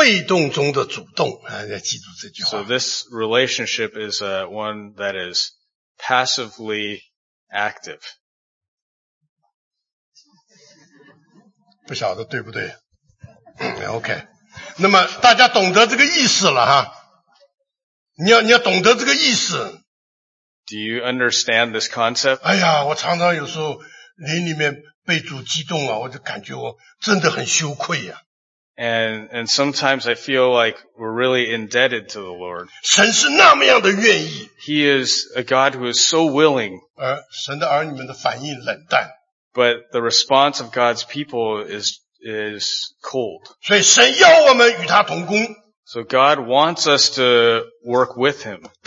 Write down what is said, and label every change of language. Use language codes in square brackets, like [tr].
[zh] 所以我讲了,这个叫做被动中的主动, 要记住这句话。 [en] So this relationship is one that is passively active. [zh] 不晓得对不对?Okay. 那么大家懂得这个意思了哈。你要懂得这个意思。 [en] Do you understand this concept? [zh] 哎呀,我常常有时候灵里面被主激动啊,我就感觉我真的很羞愧啊。 [en] And sometimes I feel like we're really indebted to the Lord. [zh] 神是那么样的愿意。 [en] He is a God who is so willing. [zh] 神的儿女们的反应冷淡。 [en] But the response of God's people is cold. [zh] 所以神要我们与他同工。 [en] So God wants us to work with Him.